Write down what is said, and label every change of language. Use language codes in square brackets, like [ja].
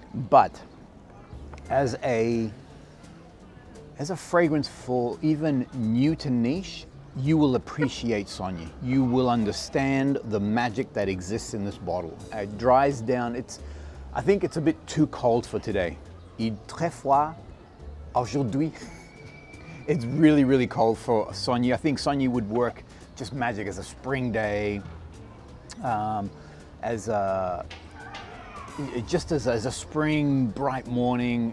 [en] But as a fragrance for even new to niche, you will appreciate Sogni. You will understand the magic that exists in this bottle. It dries down. I think it's a bit too cold for today. [fr] Il très froid aujourd'hui. [en] It's really, really cold for Sogni. I think Sogni would work just magic as a spring day, as a spring bright morning.